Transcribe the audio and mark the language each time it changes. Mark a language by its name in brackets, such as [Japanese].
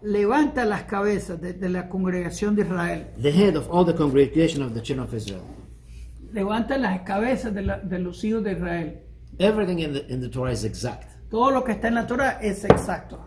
[Spanish] Levanta las cabezas de la congregación de Israel. [English] The head of all the congregation of the children of Israel. [Spanish] Levanta las cabezas de los hijos de Israel. [English] Everything in the Torah is exact. [Spanish] Todo lo que está en la Torah es exacto.